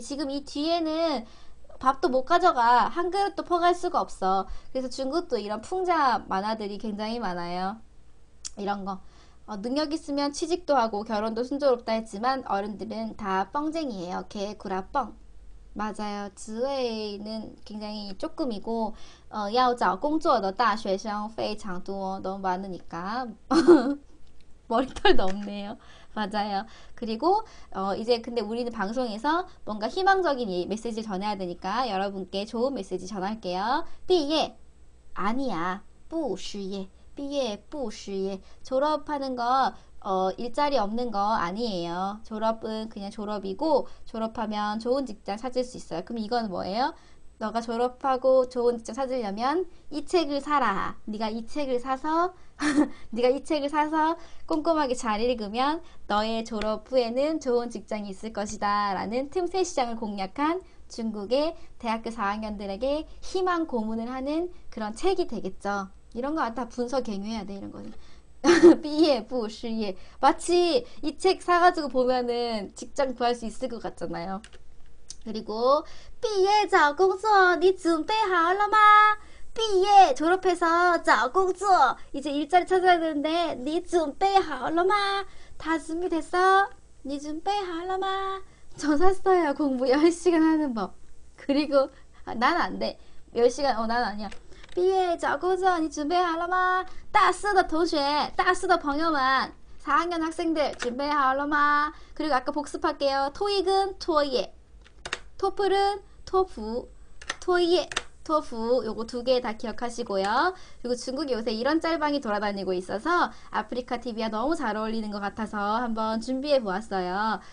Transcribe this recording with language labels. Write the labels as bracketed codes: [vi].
[ko] 지금 이 뒤에는 밥도 못 가져가, 한 그릇도 퍼갈 수가 없어. 그래서 중국도 이런 풍자 만화들이 굉장히 많아요. 이런 거. 능력 있으면 취직도 하고 결혼도 순조롭다 했지만 어른들은 다 뻥쟁이에요. 개구라뻥. 맞아요. 지웨이는 굉장히 조금이고 [zh] 要找工作的大学生非常多. [ko] 너무 많으니까. 머리털도 없네요. 맞아요. 그리고 이제 근데 우리는 방송에서 뭔가 희망적인 메시지를 전해야 되니까 여러분께 좋은 메시지 전할게요. [zh] 毕业. [ko] 아니야. [zh] 不失业.毕业, 不失业. [ko] 졸업하는 거, 일자리 없는 거 아니에요. 졸업은 그냥 졸업이고, 졸업하면 좋은 직장 찾을 수 있어요. 그럼 이건 뭐예요? 너가 졸업하고 좋은 직장 찾으려면 이 책을 사라. 네가 이 책을 사서, 네가 이 책을 사서 꼼꼼하게 잘 읽으면 너의 졸업 후에는 좋은 직장이 있을 것이다. 라는 틈새 시장을 공략한 중국의 대학교 4학년들에게 희망 고문을 하는 그런 책이 되겠죠. 이런 거다 분석 경유해야 돼, 이런 거는. [zh] 毕业, 不失业. [ko] 마치 이책 사가지고 보면은 직장 구할 수 있을 것 같잖아요. [zh] 그리고, 毕业找工作, 你 准备好了吗? 毕业, [ko] 졸업해서 [zh] 找工作, [ko] 이제 일자리 찾아야 되는데, [zh] 你 准备好了吗? [ko] 다 준비됐어? [zh] 你 准备好了吗? [ko] 저 샀어요, 공부 10시간 하는 법. 그리고, 난안 돼. 10시간, 난 아니야. [zh] 毕业, 找工作, 你 준비好了吗?大四的同学,大四的朋友们, [ko] 4학년 학생들, [zh] 준비好了吗? [ko] 그리고 아까 복습할게요. 토익은 토예, 토플은 토프, 토예, 토프. 요거 두개다 기억하시고요. 그리고 중국이 요새 이런 짤방이 돌아다니고 있어서 아프리카 TV와 너무 잘 어울리는 것 같아서 한번 준비해 보았어요.